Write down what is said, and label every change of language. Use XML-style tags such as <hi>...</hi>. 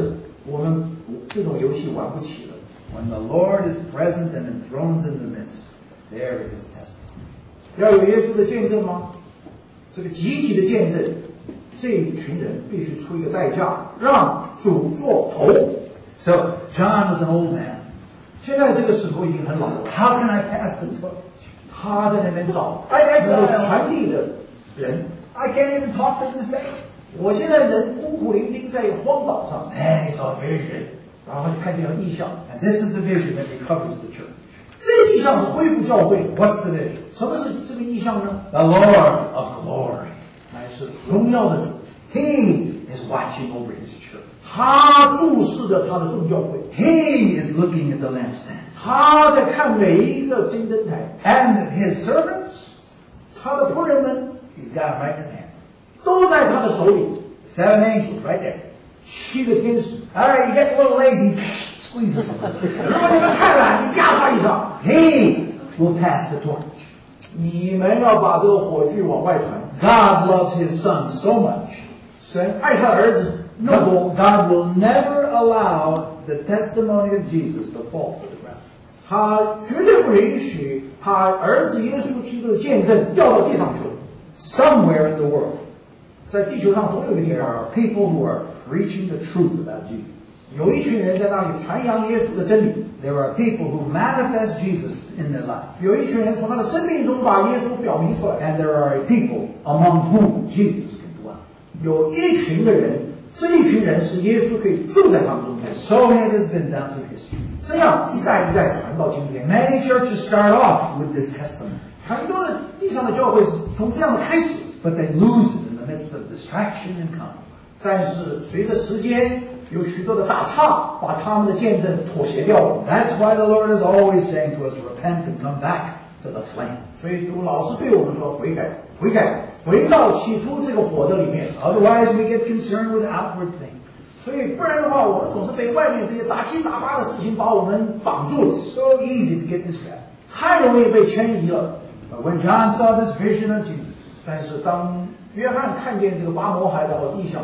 <zh>我不愿意讲有多少百分比是在这样子玩教会的游戏，但是我们这种游戏玩不起了。</zh> <en>When the Lord is present and enthroned in the midst, there is his testimony.</en> <zh>要有耶稣的见证吗? 这个集体的见证，这一群人必须出一个代价，让主做头。</zh> <en>So John is an old man.</en> <zh>现在这个使徒已经很老了。</zh> <en>How can I pass the torch?</en> <zh>他在那边找传递的人。</zh> <en>I can't even talk to the saints.</en> <zh>我现在人孤苦伶仃在荒岛上。</zh> <en>And he saw a vision.</en> <zh>然后就看见了异象。</zh> <en>And this is the vision that recovers the church.</en> <zh>这个异象是恢复教会。</zh> <en>What's the vision?</en> <zh>什么是这个异象呢?</zh> <en>The Lord of glory.</en> <zh>乃是荣耀的主。</zh> <en>He is watching over his church.</en> <zh>他注视着他的众教会。</zh> <en>He is looking at the lampstand.</en> <zh>他在看每一个金灯台。</zh> <en>And his servants,</en> <zh>他的仆人们,</zh> <en>he's got them right in his hand.</en> <zh>都在他的手里。</zh> <en>Seven angels right there.</en> <zh>七个天使。</zh> <en>Alright, you get a little lazy, squeeze them.</en> <zh>如果你们太懒，你压他一下。</zh> <en>He will pass the torch.</en> <zh>你们要把这个火炬往外传。</zh> <en>God loves his son so much.</en> <zh>神爱他儿子。</zh> <en>No, God will never allow the testimony of Jesus to fall to the ground.</en> <zh>他绝对不允许他儿子耶稣基督的见证掉到地上去。</zh> <en>Somewhere in the world,</en> <zh>在地球上总有一天,</zh> <en>there are people who are preaching the truth about Jesus.</en> <zh>有一群人在那里传扬耶稣的真理。</zh> <en>There are people who manifest Jesus in their life.</en> <zh>有一群人从他的生命中把耶稣表明出来。</zh> <en>And there are people among whom Jesus can dwell.</en> <zh>有一群的人, 这一群人是耶稣可以住在当中的。</zh> <en>And so it has been down through history.</en> <zh>这样一代一代传到今天。</zh> <en>Many churches start off with this custom.</en> <zh>很多的地上的教会是从这样的开始。</zh> <en>But they lose it in the midst of distraction and conflict.</en> <zh>但是随着时间有许多的打岔，把他们的见证妥协掉了。</zh> <en>That's why the Lord is always saying to us, repent and come back to the flame.</en> <zh>所以主老是对我们说悔改。悔改，回到起初这个火的里面。</zh> <en>Otherwise, we get concerned with outward things.</en> <zh>所以不然的话，我们总是被外面这些杂七杂八的事情把我们绑住了。</zh> <en>So easy to get distracted.</en> <zh>太容易被牵引了。</zh> <en>But when John saw this vision of Jesus,</en> <zh>但是当约翰看见这个拔摩海的异象</zh>